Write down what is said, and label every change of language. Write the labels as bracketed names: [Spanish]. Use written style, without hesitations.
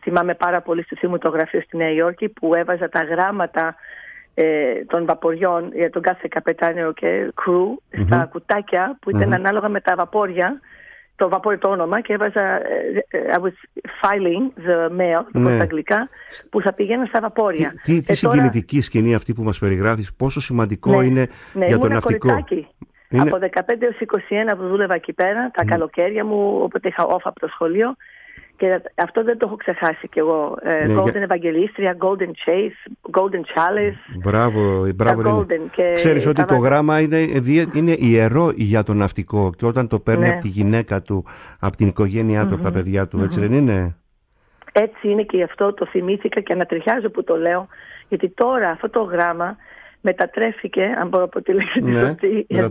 [Greek] Θυμάμαι πάρα πολύ στο θείο μου το γραφείο στη Νέα Υόρκη που έβαζα τα γράμματα των βαποριών για τον κάθε καπετάνιο και crew στα κουτάκια που ήταν ανάλογα με τα βαπόρια, το βαπόρι το όνομα, και έβαζα [English] I was filing the mail [Greek] στα αγγλικά που θα πηγαίνω στα βαπόρια. Τι συγκινητική τώρα σκηνή αυτή που μας περιγράφεις, πόσο σημαντικό είναι για τον ναυτικό. Είναι από 15 έως 21 που δούλευα εκεί πέρα, τα καλοκαίρια μου, όποτε είχα off από το σχολείο. Και αυτό δεν το έχω ξεχάσει κι εγώ. Golden Ευαγγελίστρια, Golden Chase, Golden Chalice. Μπράβο, μπράβο. Ξέρεις ότι το γράμμα είναι ιερό για το ναυτικό και όταν το παίρνει από τη γυναίκα του, από την οικογένειά του, από τα παιδιά του, έτσι δεν είναι? Έτσι είναι και γι' αυτό το θυμήθηκα και ανατριχιάζω που το λέω, γιατί τώρα αυτό το γράμμα μετατρέφηκε, αν μπορώ να πω τη λέξη τη σωστή,